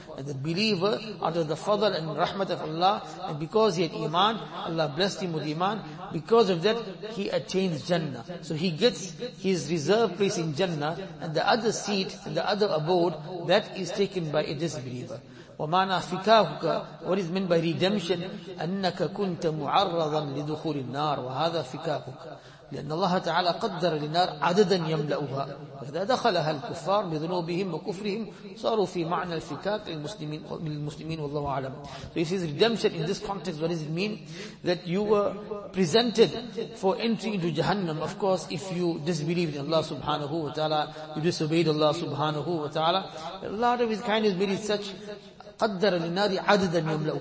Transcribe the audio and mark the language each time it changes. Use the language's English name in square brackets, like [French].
[English] And the believer, out of the fadl and rahmat of Allah, and because he had iman, Allah blessed him with iman, because of that, he attains Jannah. So he gets his reserved place in Jannah, and the other seat, and the other abode, that is taken by a disbeliever. [Arabic] وَمَعْنَا فِكَاهُكَ. [English] What is meant by redemption? [Arabic] أَنَّكَ كُنْتَ مُعَرَّضًا لِدُخُولِ النَّارِ وَهَذَا فِكَاهُكَ. لأن الله تعالى قدر للنار عددا يملأها. فإذا دخلها الكفار بذنوبهم وكفرهم صاروا في معنى الفكاك للمسلمين والله أعلم. [English] So he says redemption in this context, what does it mean? That you were presented for entry into Jahannam. Of course, if you disbelieved in Allah subhanahu wa ta'ala, you disobeyed Allah subhanahu wa ta'ala, a lot of his kindness made it such [Arabic] قدر للنار عددا يملأها.